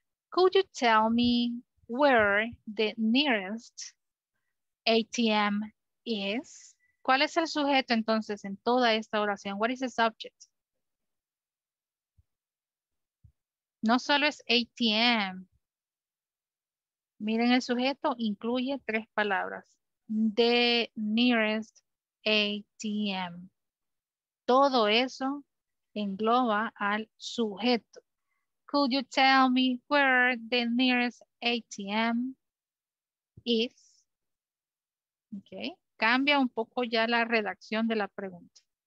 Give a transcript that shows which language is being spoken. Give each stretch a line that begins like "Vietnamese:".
English: Could you tell me where the nearest ATM is?
Spanish: ¿Cuál es el sujeto entonces en toda esta oración?
English: What is the subject?
Spanish: No solo es ATM. Miren, el sujeto incluye tres palabras.
English: The nearest ATM.
Spanish: Todo eso engloba al sujeto.
English: Could you tell me where the nearest ATM is? Okay.
Spanish: Cambia un poco ya la redacción de la pregunta.